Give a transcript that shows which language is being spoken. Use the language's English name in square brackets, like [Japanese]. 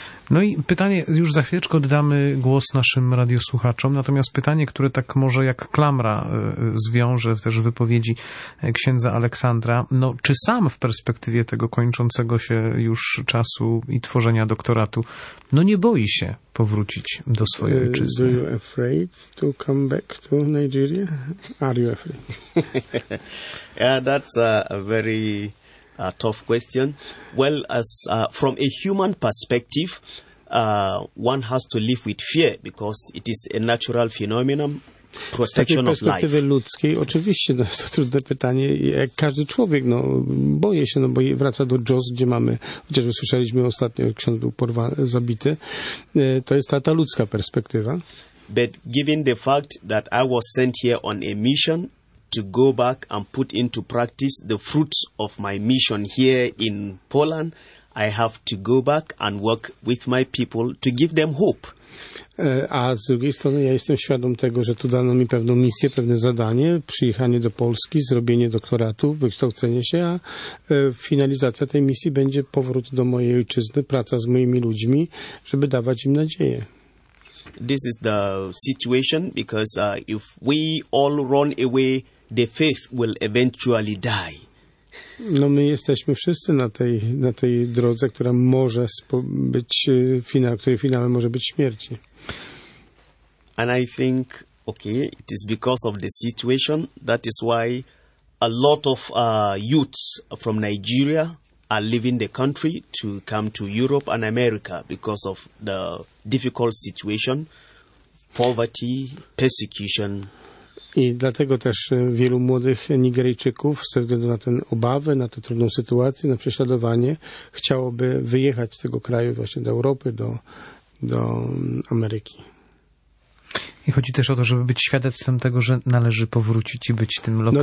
[Polish] No i pytanie, już za chwileczkę oddamy głos naszym radiosłuchaczom, natomiast pytanie, które tak może jak klamra zwiąże też wypowiedzi księdza Aleksandra, no czy sam w perspektywie tego kończącego się już czasu i tworzenia doktoratu, no nie boi się powrócić do swojej ojczyzny? [English] Are you afraid to come back to Nigeria? Are you afraid? Yeah, that's a very... A tough question. Well, as from a human perspective, one has to live with fear because it is a natural phenomenon. Protection of life. [Polish] Z takiej perspektywy ludzkiej, oczywiście, no, to trudne pytanie. Jak każdy człowiek, no, boję się, no, bo wraca do Jos, gdzie mamy, chociażby słyszeliśmy ostatnio, ksiądz był porwany, zabity. To jest ta ludzka perspektywa. [English] But given the fact that I was sent here on a mission, to go back and put into practice the fruits of my mission here in Poland, I have to go back and work with my people to give them hope. [Polish] A z drugiej strony ja jestem świadom tego, że tu dano mi pewną misję, pewne zadanie, przyjechanie do Polski, zrobienie doktoratu, wykształcenie się, a finalizacja tej misji będzie powrót do mojej ojczyzny, praca z moimi ludźmi, żeby dawać im nadzieję. [English] This is the situation because if we all run away, the faith will eventually die. [Polish] No, my jesteśmy wszyscy na tej drodze, która może być finał, której finałem może być śmierć. [English] And I think, okay, it is because of the situation. That is why a lot of youths from Nigeria are leaving the country to come to Europe and America because of the difficult situation, poverty, persecution. [Polish] I dlatego też wielu młodych Nigeryjczyków ze względu na ten obawy, na tę trudną sytuację, na prześladowanie, chciałoby wyjechać z tego kraju właśnie do Europy, do Ameryki. I chodzi też o to, żeby być świadectwem tego, że należy powrócić i być tym lokalnym